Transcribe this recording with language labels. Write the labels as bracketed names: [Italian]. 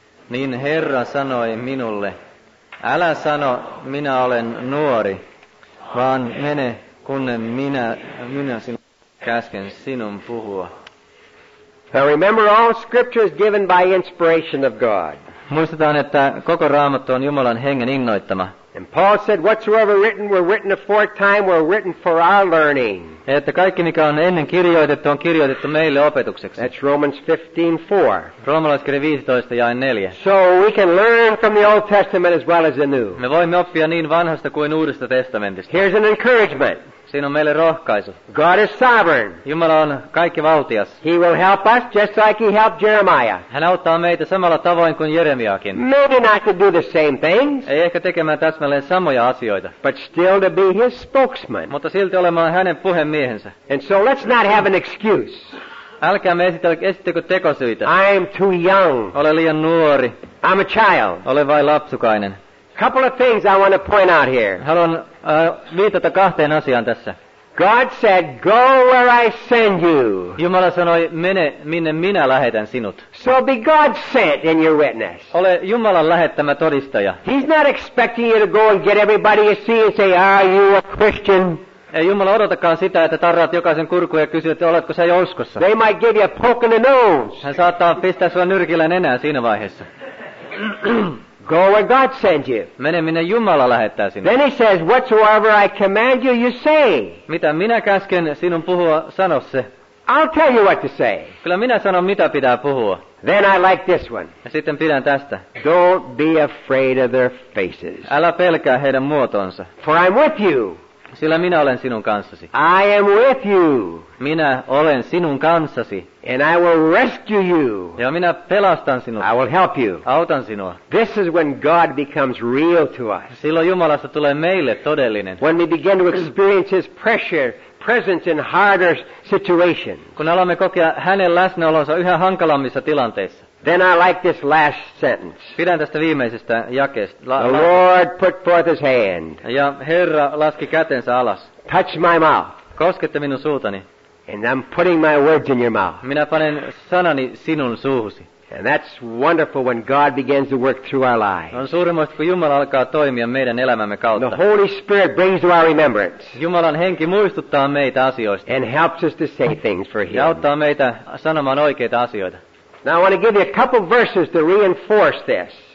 [Finnish] Niin Herra sanoi minulle, älä sano, minä olen nuori, vaan mene. Kun minä käsken sinun puhua. [English] Now remember, all scripture is given by inspiration of God. [Finnish] Muistetaan, että koko Raamattu on Jumalan hengen innoittama. [English] And Paul said, whatsoever written, were written aforetime, were written for our learning. [Finnish] Että kaikki, mikä on ennen kirjoitettu, on kirjoitettu meille opetukseksi. [English] That's Romans 15:4. [Finnish] Roomalaiskirje 15:4. [English] So we can learn from the Old Testament as well as the New. [Finnish] Me voimme oppia niin vanhasta kuin uudesta testamentista. [English] Here's an encouragement. [Finnish] Siinä on meille rohkaisu. [English] God is sovereign. [Finnish] Jumala on kaikkivaltias. [English] He will help us just like he helped Jeremiah. [Finnish] Hän auttaa meitä samalla tavoin kuin Jeremiakin. [English] Maybe not to do the same things. [Finnish] Ei ehkä tekemään täsmälleen samoja asioita. [English] But still to be his spokesman. [Finnish] Mutta silti olemaan hänen puhemiehensä. [English] And so let's not have an excuse. [Finnish] Älkäämme esittäkö tekosyitä. [English] I'm too young. [Finnish] Olen liian nuori. [English] I'm a child. [Finnish] Olen vain lapsukainen. [English] Couple of things I want to point out here. [Finnish] Haluan viitata kahteen asiaan tässä. [English] God said, go where I send you. [Finnish] Jumala sanoi, mene minne minä lähetän sinut. [English] So be God sent in your witness. [Finnish] Ole Jumalan lähettämä todistaja. [English] He's not expecting you to go and get everybody you see and say, are you a Christian? [Finnish] Ei Jumala odotakaan sitä, että tarraat jokaisen kurkun ja kysyt, että oletko sä uskossa. [English] They might give you a poke in the nose. [Finnish] Hän saattaa pistää sua nyrkillä nenään siinä vaiheessa. [English] Go where God sent you. [Finnish] Mene minne Jumala lähettää sinne. [English] Then he says, whatsoever I command you, you say. [Finnish] Mitä minä käsken sinun puhua, sano se. [English] I'll tell you what to say. [Finnish] Kyllä minä sanon, mitä pitää puhua. [English] Then I like this one. [Finnish] Ja sitten pidän tästä. [English] Don't be afraid of their faces. [Finnish] Älä pelkää heidän muotonsa. [English] For I'm with you. [Finnish] Sillä minä olen sinun kanssasi. [English] I am with you. [Finnish] Minä olen sinun kanssasi. [English] And I will rescue you. [Finnish] Ja minä pelastan sinut. [English] I will help you. [Finnish] Autan sinua. [English] This is when God becomes real to us. [Finnish] Silloin Jumalasta tulee meille todellinen. [English] When we begin to experience his pressure, presence in harder situations. [Finnish] Kun alamme kokea hänen läsnäolonsa yhä hankalammissa tilanteissa. [English] Then I like this last sentence. [Finnish] Pidän tästä viimeisestä jakeesta. [English] The Lord put forth his hand. [Finnish] Ja Herra laski kätensä alas. [English] Touch my mouth. [Finnish] Koskette minun suutani. [English] And I'm putting my words in your mouth. [Finnish] Minä panen sanani sinun suuhusi. [English] And that's wonderful when God begins to work through our lives. [Finnish] On suurimmoista, kun Jumala alkaa toimia meidän elämämme kautta. [English] The Holy Spirit brings to our remembrance. [Finnish] Jumalan henki muistuttaa meitä asioista. [English] And helps us to say things for him. [Finnish] Ja auttaa meitä sanomaan oikeita asioita. [English] Now I want to give you a couple verses to reinforce this.